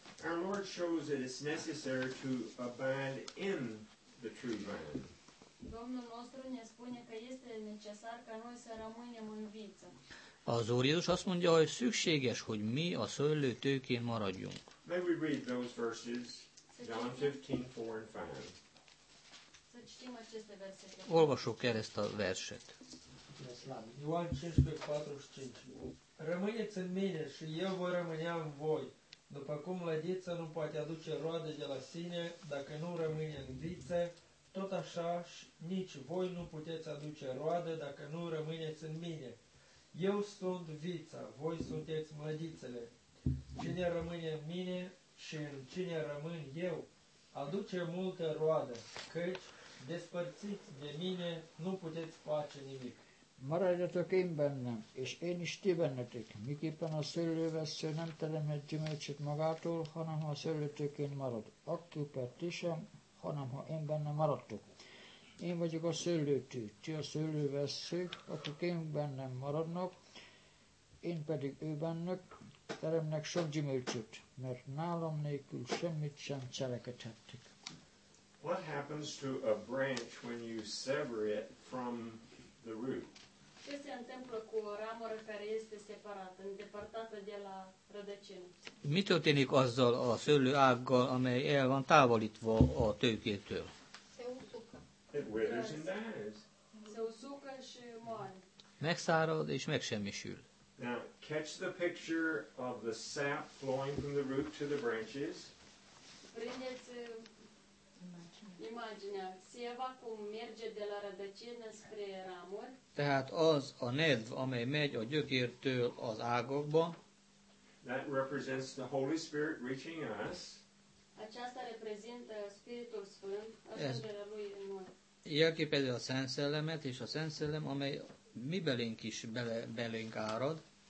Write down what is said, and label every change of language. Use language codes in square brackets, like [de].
[en] our Lord shows that it's necessary to abide in the true vine. [ro] Domnul nostru ne spune că este necesar ca noi să rămânem în viță. [hu] Az Úr Jézus azt mondja, hogy szükséges, hogy mi a szőlő tőkén maradjunk. [en] May we read those verses, John 15:4 and 5. [ro] Să citim aceste versete. [hu] Olvasok el ezt a verset. [ro] Ioan 15:45. Rămâneți în mine și eu voi rămâne în voi. După cum lădița nu poate aduce roade de la sine, dacă nu rămâne în viță, tot așa nici voi nu puteți aduce roade dacă nu rămâneți în mine. Eu sunt vița, voi sunteți mlădițele. Cine rămâne în mine și în cine rămân eu, aduce multe roade, căci despărțiți de mine nu puteți face nimic. [hu] Maradjatok én bennem, és én is ti bennetek, miképpen a szőlővessző nem teremhet gyümölcsöt magától, hanem ha a szőlőtőkén marad, akképpen ti sem, hanem ha én benne maradtok. Én vagyok a szőlőtő, ti a szőlővesszők, akik én bennem maradnak, én pedig ő bennük, teremnek sok gyümölcsöt, mert nálam nélkül semmit sem cselekedhettek. [en] What happens to a branch when you sever it from the root? [ro] Ce se întâmplă cu o ramură care este separată, îndepărtată de la rădăcină? [hu] Mi történik azzal a szőlőággal, amely el van távolítva a tőkétől? [ro] Se usucă. [en] It withers and dies. [ro] Se usucă și moare. [hu] Megszárad és megsemmisül. [en] Now, catch the picture of the sap flowing from the root to the branches. [ro] Prindeți imaginea, sieva cum merge de la rădăcină spre ramuri. [hu] Tehát az a nedv, amely megy a gyökértől az ágokba. [en] That represents the Holy Spirit reaching us. [ro] Aceasta reprezintă Spiritul Sfânt, ajungerea Lui în noi. [hu] Jelképezi a Szent Szellemet, és a Szent Szellem, amely mi belénk is belénk árad.